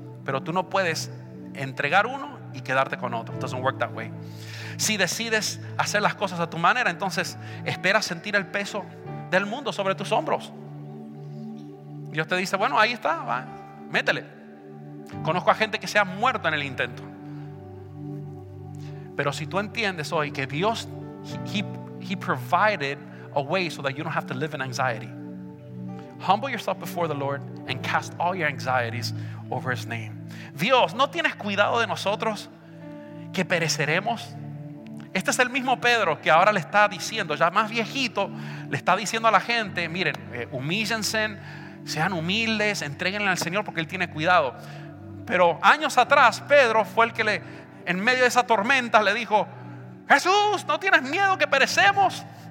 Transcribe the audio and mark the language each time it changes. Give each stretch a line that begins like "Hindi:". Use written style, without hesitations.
Spanish: Pero tú no puedes entregar uno y quedarte con otro.
English: It doesn't work that way.
Spanish: Si decides hacer las cosas a tu manera, entonces esperas sentir el peso del mundo sobre tus hombros. Dios te dice: bueno, ahí está, va, métele. Conozco a gente que se ha muerto en el intento. Pero si tú entiendes hoy que Dios,
English: he provided a way so that you don't have to live in anxiety. Humble yourself before the Lord and cast all your anxieties over his name.
Spanish: Dios, ¿no tienes cuidado de nosotros que pereceremos? Este es el mismo Pedro que ahora le está diciendo, ya más viejito, le está diciendo a la gente: miren, humíllense, sean humildes, entréguenle al Señor porque él tiene cuidado. Pero años atrás, Pedro fue el que le, en medio de esa tormenta, le dijo: Jesús, ¿no tienes miedo que perecemos?